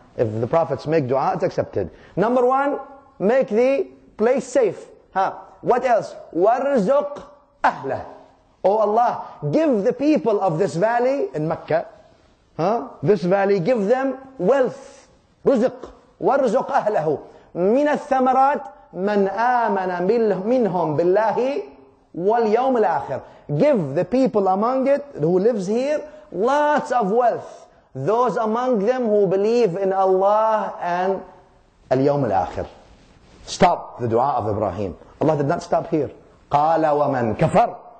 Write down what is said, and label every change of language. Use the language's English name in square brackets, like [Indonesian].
[English] If the prophets make dua, it's accepted. Number one, make the place safe. What else? [Arabic] وارزق أهله. [English] Oh Allah, give the people of this valley in Mecca, this valley, give them wealth. [Arabic] رزق وارزق أهله من الثمرات من آمن منهم بالله واليوم الآخر. [English] Give the people among it, who lives here, lots of wealth. Those among them who believe in Allah and [Arabic] اليوم الآخر. [English] Stop the dua of Ibrahim. Allah did not stop here. [Arabic] قال ومن كفر.